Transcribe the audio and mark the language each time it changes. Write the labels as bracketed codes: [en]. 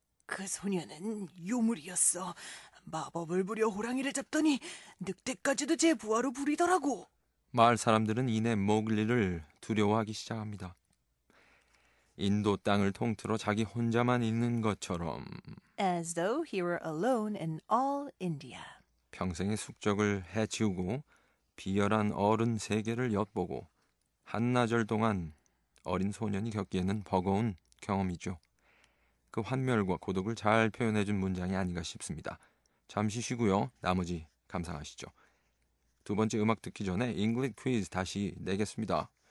[ko] 그 소녀는 요물이었어. 마법을 부려 호랑이를 잡더니 늑대까지도 제 부하로 부리더라고. 마을 사람들은 이내 모글리를 두려워하기 시작합니다. 인도 땅을 통틀어 자기 혼자만 있는 것처럼. [en] As though he were alone in all India. [ko] 평생의 숙적을 해치우고 비열한 어른 세계를 엿보고 한나절 동안 어린 소년이 겪기에는 버거운 경험이죠. 그 환멸과 고독을 잘 표현해준 문장이 아닌가 싶습니다. 잠시 쉬고요. 나머지 감상하시죠. 두 번째 음악 듣기 전에 English quiz 다시 내겠습니다.